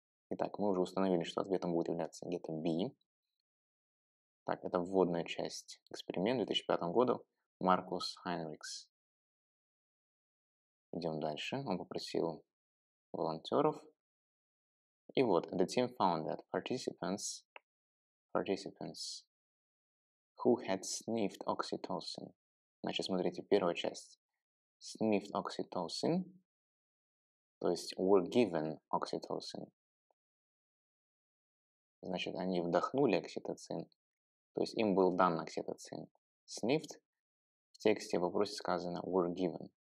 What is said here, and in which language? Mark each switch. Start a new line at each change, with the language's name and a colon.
Russian: Итак, мы уже установили, что ответом будет являться где-то B. Так, это вводная часть эксперимента 2005 года. Маркус Хайнрикс. Идем дальше. Он попросил волонтеров. И вот,
English: the team found that participants who had sniffed oxytocin.
Russian: Значит, смотрите, первая часть.
English: Sniffed oxytocin,
Russian: то есть
English: were given oxytocin.
Russian: Значит, они вдохнули окситоцин, то есть им был дан окситоцин. Sniffed, в тексте в вопросе сказано
English: were given.